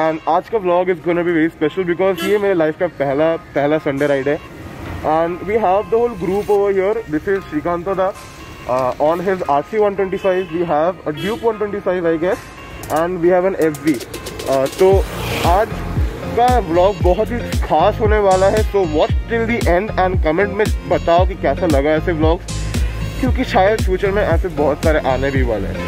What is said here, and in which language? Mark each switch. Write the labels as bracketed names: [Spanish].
[English] And [Hindi] आज का [English] vlog is gonna be very special because [Hindi] ये मेरे life का पहला Sunday ride है. [English] And we have the whole group over here. This is Srikanta da on his RC 125. We have a Duke 125, I guess. And we have an FV. [Hindi] तो आज का vlog बहुत ही खास होने वाला है. [English] So watch till the end and comment [Hindi] में बताओ कि कैसा लगा ऐसे [English] vlogs. [Hindi] क्योंकि शायद फ्यूचर में ऐसे बहुत सारे आने भी वाले हैं.